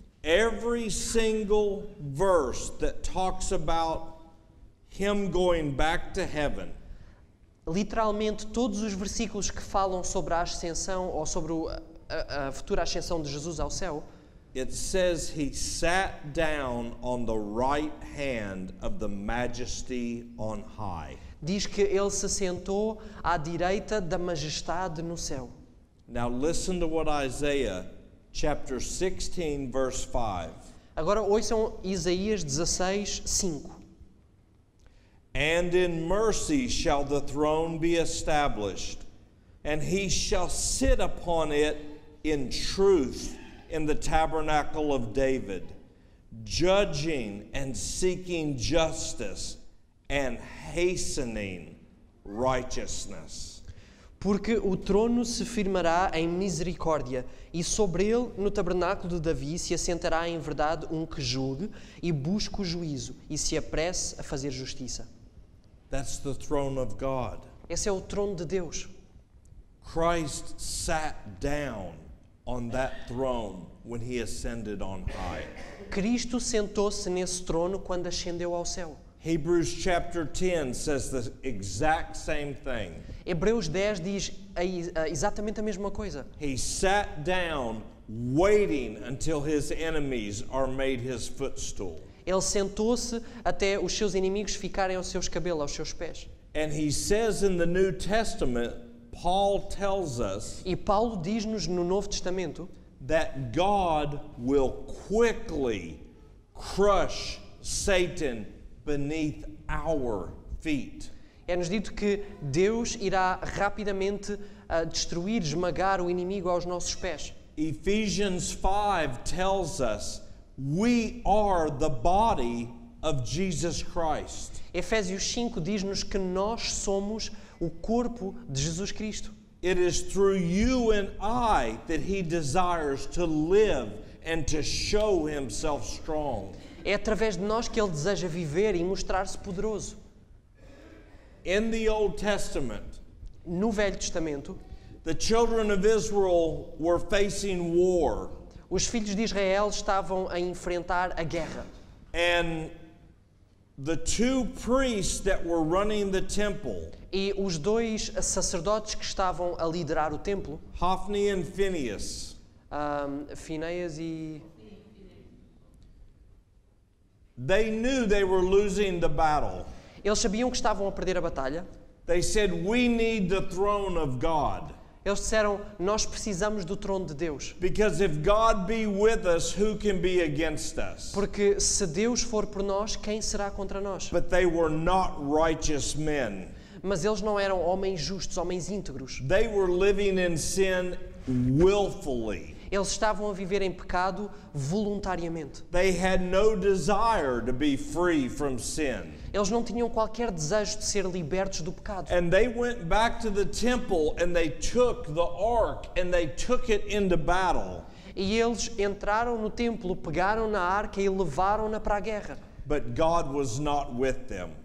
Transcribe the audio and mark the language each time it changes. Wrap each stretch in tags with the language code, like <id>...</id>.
<en>Every single verse that talks about him going back to heaven.</en> <pt>Literalmente todos os versículos que falam sobre a ascensão ou sobre a futura ascensão de Jesus ao céu.</pt> <en>It says he sat down on the right hand of the majesty on high.</en> <pt>Diz que ele se sentou à direita da majestade no céu.</pt> <en>Now listen to what Isaiah chapter 16 verse 5.</en> <pt>Agora ouçam Isaías 16, 5.</pt> <en>And in mercy shall the throne be established, and he shall sit upon it in truth. In the tabernacle of David, judging and seeking justice and hastening righteousness.</en> <pt>Porque o trono se firmará em misericórdia, e sobre ele, no tabernáculo de Davi, se assentará em verdade um que julgue e busque o juízo e se apresse a fazer justiça.</pt> <en>That's the throne of God.</en> <pt>Esse é o trono de Deus.</pt> <en>Christ sat down on that throne. When he ascended on high.</en> <pt>Cristo sentou-se nesse trono quando ascendeu ao céu.</pt> <en>Hebrews chapter 10 says the exact same thing.</en> <pt>Hebreus 10 diz exatamente a mesma coisa.</pt> <en>He sat down waiting until his enemies are made his footstool.</en> <pt>Ele sentou-se até os seus inimigos ficarem aos seus cabelos, aos seus pés.</pt> <en>And he says in the New Testament, Paul tells us.</en> <pt>E Paulo diz-nos no Novo Testamento.</pt> <en>That God will quickly crush Satan beneath our feet.</en> <pt>É-nos dito que Deus irá rapidamente destruir, esmagar o inimigo aos nossos pés.</pt> <en>Ephesians 5 tells us we are the body of Jesus Christ.</en> <pt>Efésios 5 diz-nos que nós somos o corpo de Jesus Cristo.</pt> <en>It is through you and I that he desires to live and to show himself strong.</en> <pt>É através de nós que ele deseja viver e mostrar-se poderoso.</pt> <en>In the Old Testament,</en> <pt>no Velho Testamento,</pt> <en>the children of Israel were facing war.</en> <pt>Os filhos de Israel estavam a enfrentar a guerra.</pt> <en>And the two priests that were running the temple.</en> <pt>E os dois sacerdotes que estavam a liderar o templo.</pt> <en>Hophni and Phinehas.</en> <pt>Phinehas e...</pt> <en>They knew they were losing the battle.</en> <pt>Eles sabiam que estavam a perder a batalha.</pt> <en>They said, we need the throne of God.</en> <pt>Eles disseram, nós precisamos do trono de Deus.</pt> <en>Because if God be with us, who can be against us?</en> <pt>Porque se Deus for por nós, quem será contra nós?</pt> <en>But they were not righteous men.</en> <pt>Mas eles não eram homens justos, homens íntegros.</pt> <en>They were living in sin willfully.</en> <pt>Eles estavam a viver em pecado voluntariamente.</pt> <en>They had no desire to be free from sin.</en> <pt>Eles não tinham qualquer desejo de ser libertos do pecado.</pt> <en>And they went back to the temple and they took the ark and they took it into battle.</en> <pt>E eles entraram no templo, pegaram na arca e levaram-na para a guerra.</pt> <en>But God was not with them.</en>